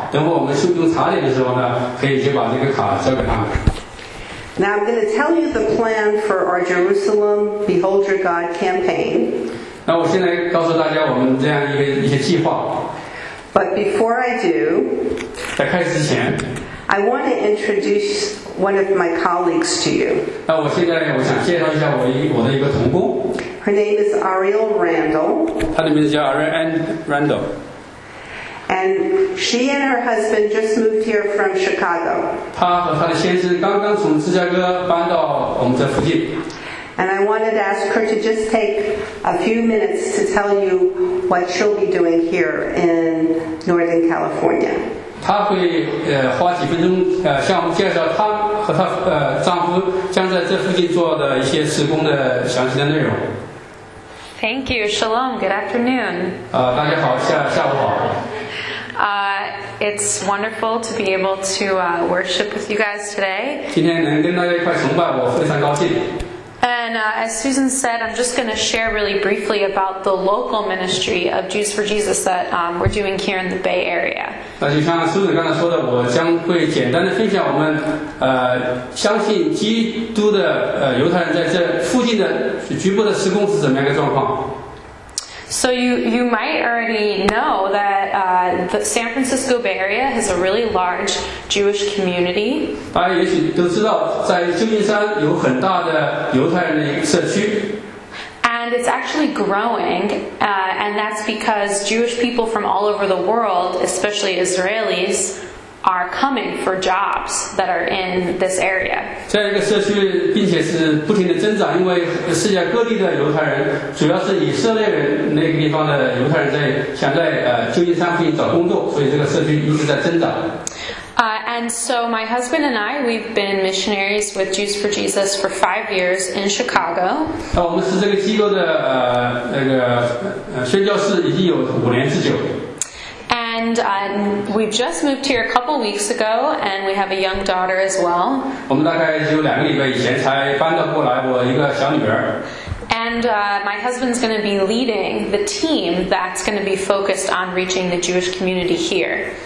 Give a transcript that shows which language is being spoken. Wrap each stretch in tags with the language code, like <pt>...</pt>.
<zh>等会我们送用茶点的时候呢，可以就把这个卡交给他们。</zh> <en>Now I'm going to tell you the plan for our Jerusalem Behold Your God campaign.</en> <zh>那我现在告诉大家我们这样一些计划。</zh> <en>But before I do,</en> <zh>在开始之前</zh> <en>，I want to introduce one of my colleagues to you.</en> <zh>那我现在我想介绍一下我的一个同工。</zh> <en>Her name is Ariel Randall.</en> <zh>她的名字叫 Ariel Randall.</zh> <en>And she and her husband just moved here from Chicago.</en> <zh>她和她的先生刚刚从芝加哥搬到我们这附近。</zh> <en>And I wanted to ask her to just take a few minutes to tell you what she'll be doing here in Northern California.</en> <zh>她会花几分钟向我们介绍她和她丈夫将在这附近做的一些施工的详细的内容。</zh> <en>Thank you. Shalom. Good afternoon.</en> <zh>大家好，下午好。</zh> <en>It's wonderful to be able to worship with you guys today.</en> <zh>今天能跟大家一块崇拜，我非常高兴。</zh> <en>And as Susan said, I'm just going to share really briefly about the local ministry of Jews for Jesus that we're doing here in the Bay Area.</en> <zh>那就像 Susan 刚才说的，我将会简单的分享我们相信基督的犹太人在这附近的局部的施工是怎么样的状况。</zh> <en>So you might already know that the San Francisco Bay Area has a really large Jewish community.</en> <zh>大家也许都知道，在旧金山有很大的犹太人的社区。</zh> <en>And it's actually growing, and that's because Jewish people from all over the world, especially Israelis, are coming for jobs that are in this area.</en> <zh>这样一个社区，并且是不停的增长，因为世界各地的犹太人，主要是以色列人那个地方的犹太人在想在旧金山附近找工作，所以这个社区一直在增长。</zh> <en>And so my husband and I, we've been missionaries with Jews for Jesus for 5 years in Chicago.</en> <zh>我们是这个机构的宣教士已经有五年之久。</zh> <en>And we just moved here a couple weeks ago, and we have a young daughter as well.</en> <zh>我们大概只有两个礼拜以前才搬到过来，我一个小女儿。</zh> <en>And my husband's going to be leading the team that's going to be focused on reaching the Jewish community here.</en>